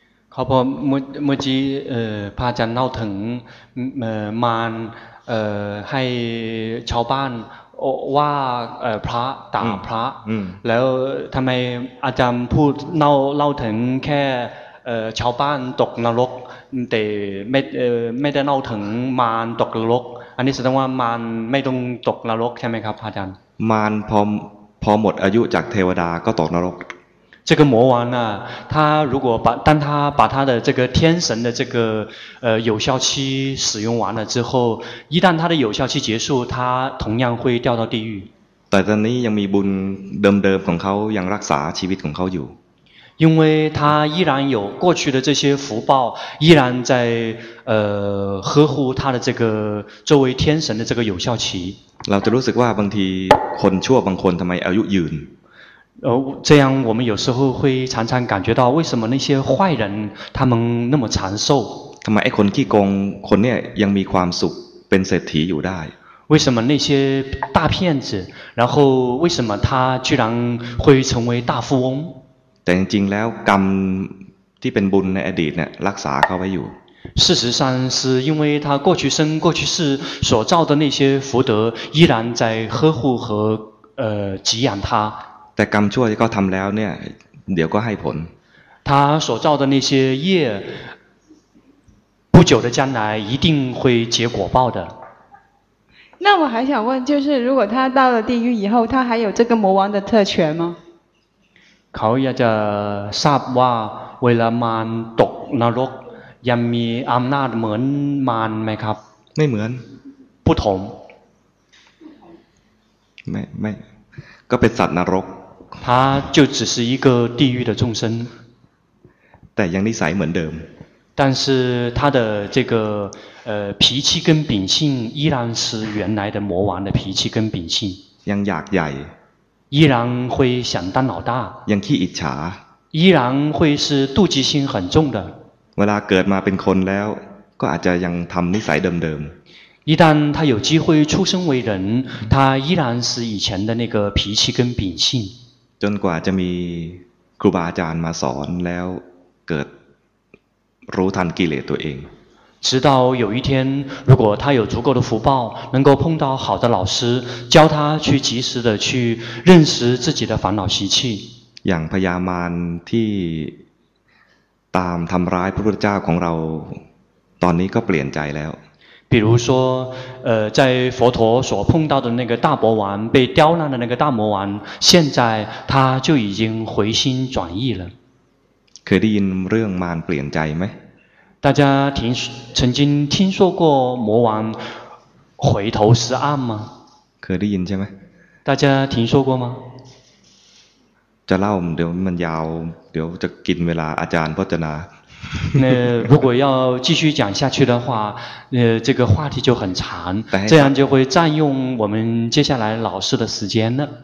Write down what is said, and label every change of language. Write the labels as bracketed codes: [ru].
[th] เขาพอเมื่อกี้พระอาจารย์เล่าถึงมารให้ชาวบ้านว่าพระด่าพระแล้วทำไมอาจารย์พูดเล่าถึงแค่ ชาวบ้านตกนรกแต่ไม่ได้เล่าถึงมารตกนรกอันนี้แสดงว่ามารไม่ต้องตกนรกใช่ไหมครับอาจารย์มารพอหมดอายุจากเทวดาก็ตกนรก [zh] 这个魔王呢他如果把当他把他的这个天神的这个有效期使用完了之后一旦他的有效期结束他同样会掉到地狱 [th] แต่ตอนนี้ยังมีบุญเดิมๆของเขายังรักษาชีวิตของเขาอยู่ [zh] 因为他依然有过去的这些福报依然在呵护他的这个作为天神的这个有效期 [th] เราจะรู้สึกว่าบางทีคนชั่วบางคนทำไมอายุยืน [zh] 这样我们有时候会常常感觉到为什么那些坏人他们那么长寿 [th] ทำไมไอ้คนขี้โกงคนเนี่ยยังมีความสุขเป็นเศรษฐีอยู่ได้ [zh] 为什么那些大骗子然后为什么他居然会成为大富翁 [th] แต่จริงๆแล้วกรรมที่เป็นบุญในอดีตเนี่ยรักษาเขาไว้อยู่ [zh] 事实上是因为他过去生过去世所造的那些福德依然在呵护和给养他 [th] แต่กรรมชั่วที่เขาทำแล้วเนี่ยเดี๋ยวก็ให้ผล [zh] 他所造的那些业不久的将来一定会结果报的那我还想问就是如果他到了地狱以后他还有这个魔王的特权吗 [th] เขาอยากจะทราบว่าเวลามารตกนรกยังมีอำนาจเหมือนมารไหมครับ ไม่เหมือน [zh] 不同 [th] ไม่ก็เป็นสัตว์นรก [zh] 他就只是一个地狱的众生 [th] แต่ยังนิสัยเหมือนเดิม [zh] 但是他的这个脾气跟秉性依然是原来的魔王的脾气跟秉性 [th] ยังอยากใหญ่ [zh] 依然会想当老大 [th] ยังขี้อิจฉา [zh] 依然会是妒忌心很重的 [th] เวลาเกิดมาเป็นคนแล้วก็อาจจะยังทำนิสัยเดิม [zh] 一旦他有机会出生为人他依然是以前的那个脾气跟秉性 [th] จนกว่าจะมีครูบาอาจารย์มาสอนแล้วเกิดรู้ทันกิเลสตัวเอง [zh] 直到有一天如果他有足够的福报能够碰到好的老师教他去及时的去认识自己的烦恼习气 [th] อย่างพญามารที่ตามทำร้ายพระพุทธเจ้าของเราตอนนี้ก็เปลี่ยนใจแล้ว [zh] 比如说在佛陀所碰到的那个大魔王被刁难的那个大魔王现在他就已经回心转意了 [th] เคยได้ยินเรื่องมารเปลี่ยนใจไหม [zh] 大家曾经听说过魔王回头是岸吗 [th] เคยได้ยินใช่ไหม [zh] 大家听说过吗 [th] จะเล่าเดี๋ยวมันยาวเดี๋ยวจะกินเวลาอาจารย์พจนา [zh] 那如果要继续讲下去的话这个话题就很长这样就会占用我们接下来老师的时间了